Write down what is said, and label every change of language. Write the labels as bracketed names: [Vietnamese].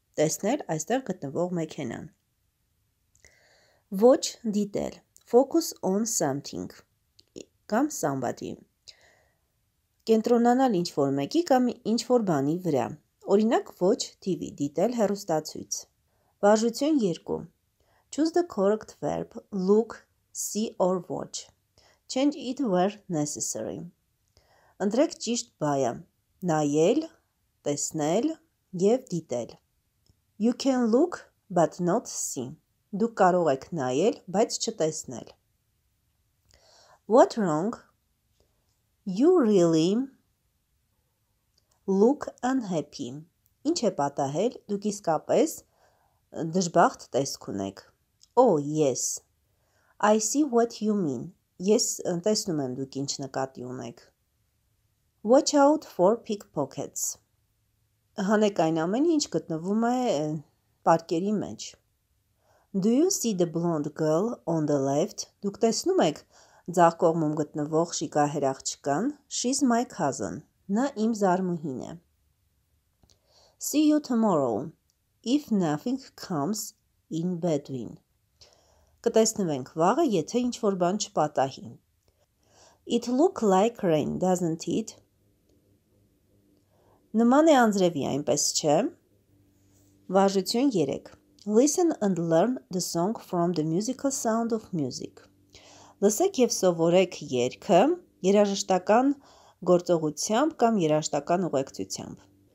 [Armenian] Տեսնել այստեղ գտնվող մեքենան։ [English] Watch, [Armenian] դիտել, [English] focus on something, [Armenian] կամ [English] somebody, [Armenian] կենտրոնանալ ինչ-որ մեկի կամ ինչ-որ բանի վրա, օրինակ [English] watch TV, [Armenian] դիտել հեռուստացույց։ Վարժություն 2. [English] Choose the correct verb, look, see or watch. Change it where necessary. [Armenian] Ընտրեք ճիշտ բայը, նայել, տեսնել և դիտել։ [English] You can look, but not see. [Armenian] Դուք կարող եք նայել, բայց չտեսնել։ [English] What wrong? You really look unhappy. [Armenian] Ինչ է պատահել, դուք իսկապես դժբախտ տեսք ունեք։ [English] Oh, yes. I see what you mean. [Armenian] Ես տեսնում եմ դուք ինչ նկատի ունեք։ [English] Watch out for pickpockets. [Armenian] Հանեք այն ամենի, ինչ գտնվում է պարկերի մեջ։ [English] Do you see the blonde girl on the left? [Armenian] Դուք տեսնում եք ձախ կողմում գտնվող շիկահեր աղջկան? [English] She's my cousin. [Armenian] Նա իմ զարմուհին է. [English] See you tomorrow, if nothing comes in between. [Armenian] Կտեսնվենք վաղը, եթե ինչ-որ բան չպատահի. [English] It look like rain, doesn't it? [Armenian] Նման է անձրևի, այնպես չէ։ Վարժություն 3. [English] Listen and learn the song from the musical sound of music. [Armenian] Լսեք և սովորեք երգը երաժշտական գործողությամբ կամ երաժշտական ուղեկցությամբ.